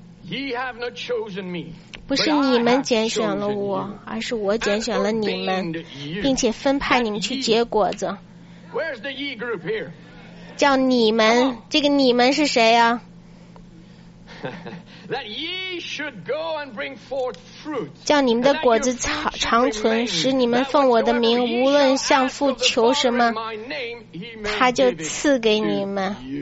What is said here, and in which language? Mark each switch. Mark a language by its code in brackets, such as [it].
[en] Ye have not chosen me, [zh] 不是你们拣选了我，而是我拣选了你们，并且分派你们去结果子。 [en] Where's the ye group here? [zh] 叫你们，这个你们是谁呀？ [en] That ye should go and bring forth fruit. [zh] 叫你们的果子长存，使你们奉我的名无论向父求什么，他就赐给你们。